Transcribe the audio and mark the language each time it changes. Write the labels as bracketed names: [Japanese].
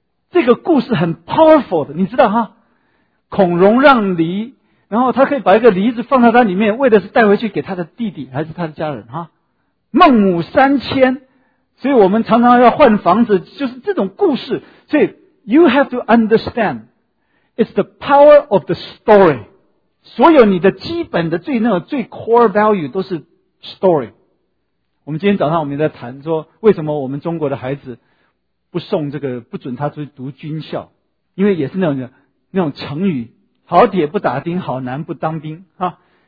[Chinese] 这个故事很 powerful 的，你知道哈？孔融让梨，然后他可以把一个梨子放在他里面，为的是带回去给他的弟弟还是他的家人哈？孟母三迁，所以我们常常要换房子，就是这种故事。所以 [English] you have to understand, it's the power of the story. [Chinese] 所有你的基本的最那个最 core value 都是Story。我们今天早上我们也在谈说，为什么我们中国的孩子不送这个，不准他去读军校，因为也是那种成语，好铁不打钉，好男不当兵啊。